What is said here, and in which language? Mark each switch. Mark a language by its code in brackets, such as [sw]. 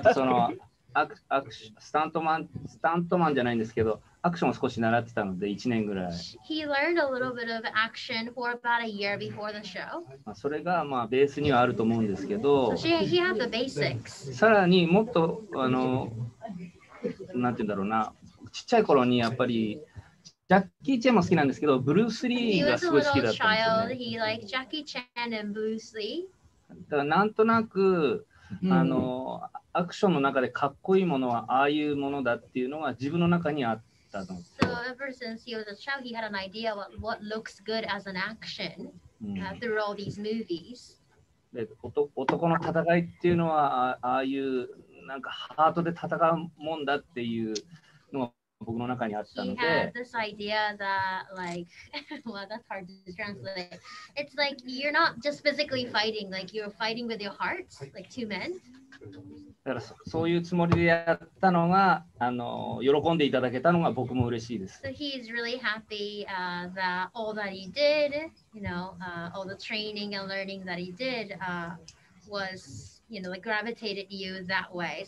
[ja] とそのスタントマン、スタントマンじゃないんですけど、アクションを少し習ってたので、1年ぐらい。 [en] He learned a little bit of action for about a year before the show. [ja] まあそれがまあベースにはあると思うんですけど、 [en] so、he had the basics. [ja] さらにもっとあの、なんて言うんだろうな。ちっちゃい頃にやっぱりジャッキー・チェンも好きなんですけど、ブルース・リーがすごい好きだったんですよね。 [en] He liked Jackie Chan and Bruce Lee. [ja] だからなんとなく、あの、アクションの中でかっこいいものはああいうものだっていうのは自分の中にあったの。 [en] So ever since he was a child, he had an idea of what looks good as an action, through all these movies. [ja] で、男の戦いっていうのはああいうなんかハートで戦うもんだっていう。僕の中にあったので。 [en] He had this idea that like, well, that's hard to translate. It's like you're not just physically fighting, like you're fighting with your hearts, like two men. [ja] だからそういうつもりでやったのが、あの、喜んでいただけたのが僕も嬉しいです。 [en] So he's really happy, that all that he did, you know, all the training and learning that he did, was, you know, like gravitated you that way.